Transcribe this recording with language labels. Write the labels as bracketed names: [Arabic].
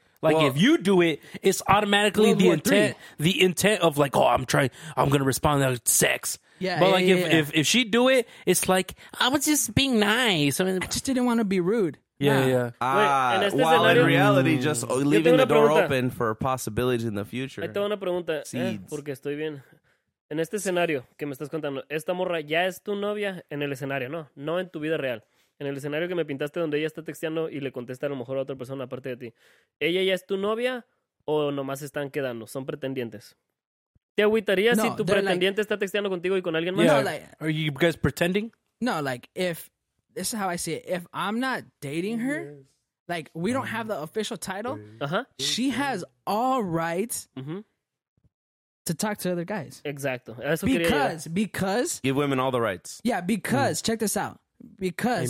[English] Like, well, if you do it, it's automatically the intent of, like, oh, I'm going to respond to sex. Yeah, but, yeah, like, yeah, if she do it, it's like, I was just being nice. I just didn't want to be rude. Yeah, yeah. In reality, just leaving the door open for possibilities in the future. [Spanish] I tengo una pregunta. Porque estoy bien. En este escenario que me estás contando, esta morra ya es tu novia en el escenario, ¿no? No en tu vida real. En el escenario que me pintaste donde ella está texteando y le contesta a lo mejor a otra persona aparte de ti. ¿Ella ya es tu novia o nomás están quedando? ¿Son pretendientes? ¿Te agüitaría si tu pretendiente está texteando contigo y con alguien más? [English] Yeah. Are you guys pretending? No, like, if... This is how I see it. If I'm not dating her, like, we don't have the official title. Uh-huh. She has all rights to talk to other guys. [Spanish] Exacto. [English] Because... Give women all the rights. Yeah, because... Mm. Check this out. Because...